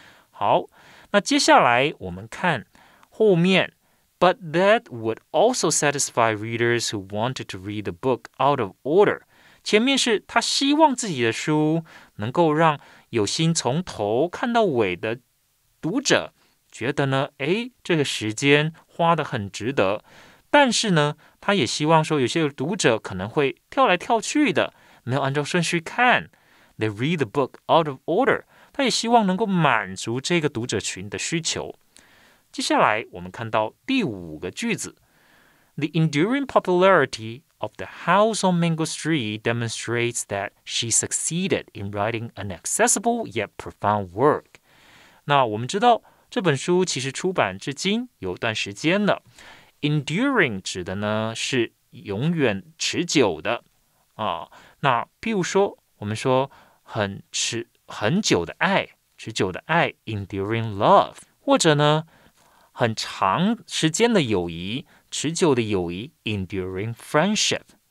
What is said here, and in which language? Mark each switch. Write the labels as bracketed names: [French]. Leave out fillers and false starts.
[Chinese] 好，那接下来我们看后面 [English] ，But that would also satisfy readers who wanted to read the book out of order。 [Chinese] 前面是他希望自己的书能够让有心从头看到尾的读者觉得呢，哎，这个时间花得很值得。但是呢，他也希望说有些读者可能会跳来跳去的，没有按照顺序看。 [English] They read the book out of order. [Chinese] 他也希望能够满足这个读者群的需求。接下来我们看到第五个句子。 [English] The enduring popularity of the house on Mango Street demonstrates that she succeeded in writing an accessible yet profound work. [Chinese] 那我们知道这本书其实出版至今有一段时间了。 Enduring 指的呢是永远持久的。啊，那譬如说我们说很久的爱 [English] enduring love， [Chinese] 或者呢很长时间的友谊，持久的友谊 [English] enduring friendship。